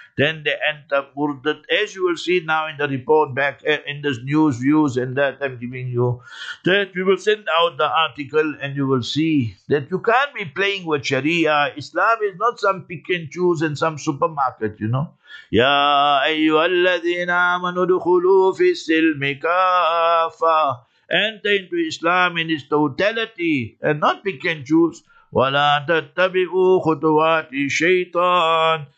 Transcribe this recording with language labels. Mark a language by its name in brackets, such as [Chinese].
[English] Then they enter Murdat, as you will see now in the report back in this news views and that I'm giving you, that we will send out the article and you will see that you can't be playing with Sharia. Islam is not some pick and choose in some supermarket, you know. [Arabic] يا أيها الذين آمنوا دخلوا في السلم كافة. [English] Enter into Islam in its totality and not pick and choose. [Arabic] ولا تتبعوا خطوات الشيطان.